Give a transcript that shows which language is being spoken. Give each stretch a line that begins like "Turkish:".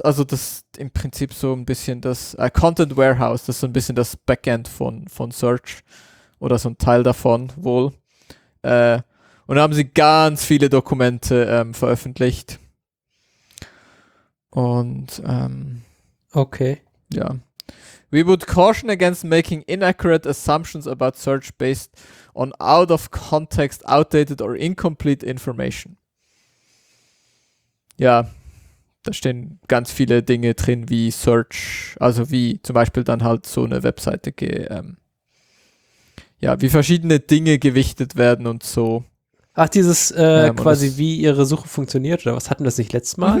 German: Also das im Prinzip so ein bisschen das Content Warehouse, das ist so ein bisschen das Backend von Search oder so ein Teil davon wohl. Und da haben sie ganz viele Dokumente veröffentlicht. Und okay. Ja.
English: We would caution against making inaccurate assumptions about search based on out of context, outdated or incomplete information.
German: Ja, da stehen ganz viele Dinge drin, wie Search, also wie zum Beispiel dann halt so eine Webseite, ja, wie verschiedene Dinge gewichtet werden und so. Ach, dieses quasi, wie ihre Suche funktioniert, oder was, hatten wir das nicht letztes Mal?